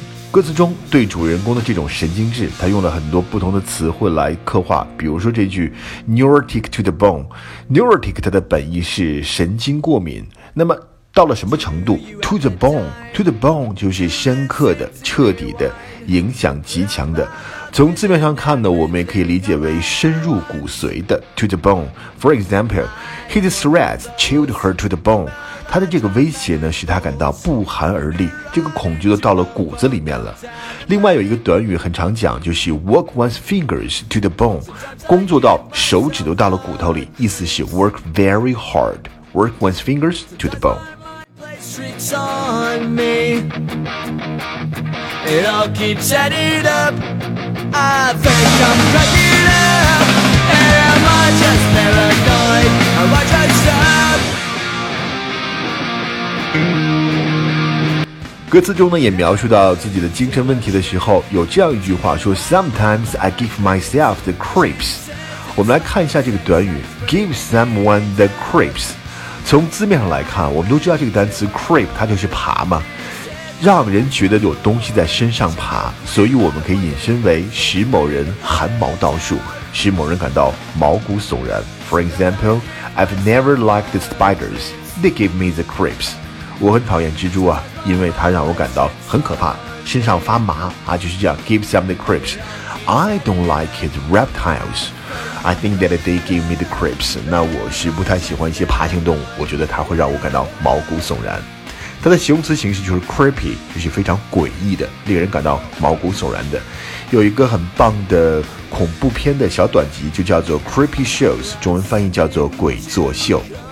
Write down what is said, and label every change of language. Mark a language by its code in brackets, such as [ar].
[zh] 歌词中对主人公的这种神经质，他用了很多不同的词汇来刻画，比如说这句 [en] neurotic to the bone。 [zh] neurotic 它的本意是神经过敏，那么到了什么程度 ？ [en] To the bone, to the bone [zh] 就是深刻的、彻底的、影响极强的。从字面上看呢，我们也可以理解为深入骨髓的 ， [en] to the bone。 For example, his threats chilled her to the bone。 [zh] 他的这个威胁呢，使他感到不寒而栗，这个恐惧都到了骨子里面了。另外有一个短语很常讲，就是 [en] work one's fingers to the bone， [zh] 工作到手指都到了骨头里，意思是 [en] work very hard。 Work one's fingers to the bone. Tricks on me. It all keeps adding up. I think I'm cracking up. And am I just paranoid? Am I just up? [zh] 歌词中呢，也描述到自己的精神问题的时候，有这样一句话说 [en] Sometimes I give myself the creeps. [zh] 我们来看一下这个短语 [en] Give someone the creeps. [zh] 从字面上来看，我们都知道这个单词 creep 它就是爬嘛，让人觉得有东西在身上爬，所以我们可以引申为使某人汗毛倒竖，使某人感到毛骨悚然。 [en] For example, I've never liked the spiders, they give me the creeps. [zh] 我很讨厌蜘蛛啊，因为它让我感到很可怕，身上发麻啊，就是这样 [en] give some the creeps. I don't like it, reptilesI think that they give me the creeps. [zh] 那我是不太喜欢一些爬行动物，我觉得它会让我感到毛骨悚然。它的形容词形式就是 creepy， 就是非常诡异的，令人感到毛骨悚然的。有一个很棒的恐怖片的小短集，就叫做 Creepy Shows， 中文翻译叫做鬼作秀。